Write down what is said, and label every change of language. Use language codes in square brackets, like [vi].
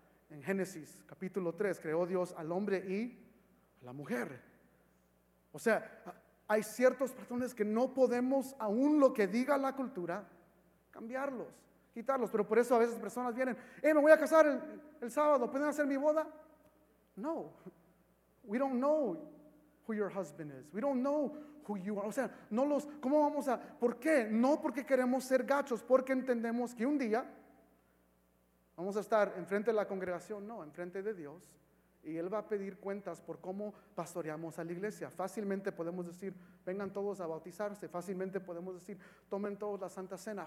[es] En Génesis capítulo 3, creó Dios al hombre y a la mujer. O sea, hay ciertos patrones que no podemos, aún lo que diga la cultura, cambiarlos, quitarlos. Pero por eso a veces personas vienen, me voy a casar el sábado, ¿pueden hacer mi boda? [en] No, we don't know who your husband is. We don't know who you are. [es] O sea, no los, ¿cómo vamos a, por qué? No porque queremos ser gachos, porque entendemos que un día vamos a estar enfrente de la congregación, no, enfrente de Dios. Y Él va a pedir cuentas por cómo pastoreamos a la iglesia. Fácilmente podemos decir, vengan todos a bautizarse. Fácilmente podemos decir, tomen todos la Santa Cena.